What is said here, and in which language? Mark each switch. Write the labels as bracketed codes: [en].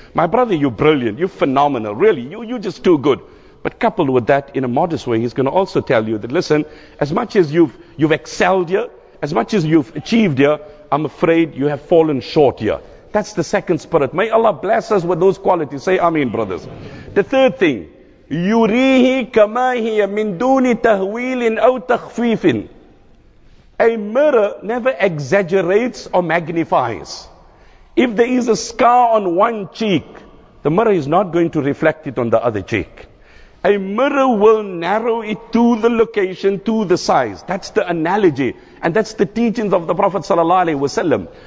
[en] My brother, you're brilliant. You're phenomenal. Really, you're just too good. But coupled with that, in a modest way, he's going to also tell you that, listen, as much as you've excelled here, as much as you've achieved here, I'm afraid you have fallen short here. That's the second spirit. May Allah bless us with those qualities. Say Ameen, brothers. The third thing, [ar] يُرِيهِ كَمَا هِيَ مِن دُونِ تَهْوِيلٍ أَوْ تَخْفِيفٍ. [en] A mirror never exaggerates or magnifies. If there is a scar on one cheek, the mirror is not going to reflect it on the other cheek. A mirror will narrow it to the location, to the size. That's the analogy. And that's the teachings of the Prophet sallallahu alaihi wasallam.